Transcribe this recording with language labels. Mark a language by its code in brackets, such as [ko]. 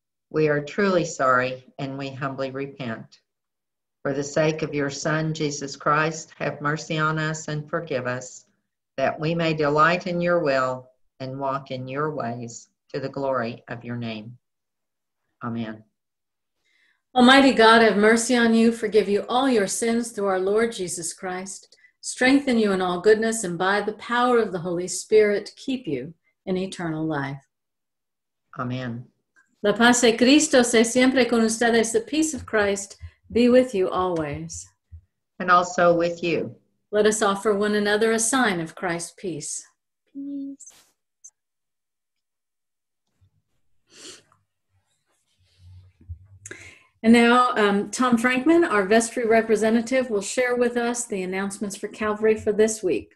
[en] We are truly sorry, and we humbly repent. For the sake of your Son, Jesus Christ, have mercy on us and forgive us, that we may delight in your will and walk in your ways to the glory of your name. Amen. Almighty God, have mercy on you, forgive you all your sins through our Lord Jesus Christ, strengthen you in all goodness, and by the power of the Holy Spirit, keep you in eternal life. Amen. [es] La paz de Cristo sea siempre con ustedes. [en] The peace of Christ be with you always. And also with you. Let us offer one another a sign of Christ's peace. Peace. And now, Tom Frankman, our vestry representative, will share with us the announcements for Calvary for this week.